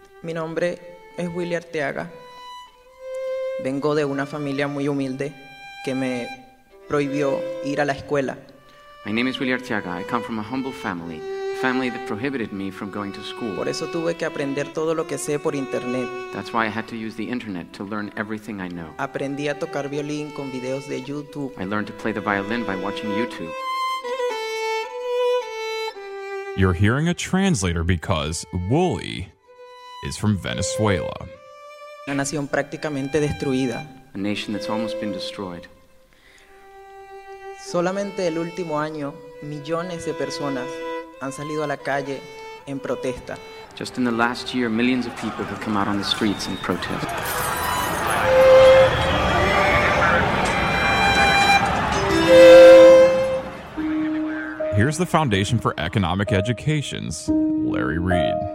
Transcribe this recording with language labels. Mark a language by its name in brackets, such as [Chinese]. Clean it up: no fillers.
[Spanish] Mi nombre es Willy Arteaga. Vengo de una familia muy humilde que me prohibió ir a la escuela. [English] My name is Willy Arteaga. I come from a humble family, a family that prohibited me from going to school. [Spanish] Por eso tuve que aprender todo lo que sé por internet. [English] That's why I had to use the internet to learn everything I know. [Spanish] Aprendí a tocar violín con videos de YouTube. [English] I learned to play the violin by watching YouTube. You're hearing a translator because Wooly is from Venezuela. [Spanish] Una nación prácticamente destruida. [English] A nation that's almost been destroyed. [Spanish] Solamente el último año, millones de personas han salido a la calle en protesta. [English] Just in the last year, millions of people have come out on the streets in protest. Here's the Foundation for Economic Education's Larry Reed.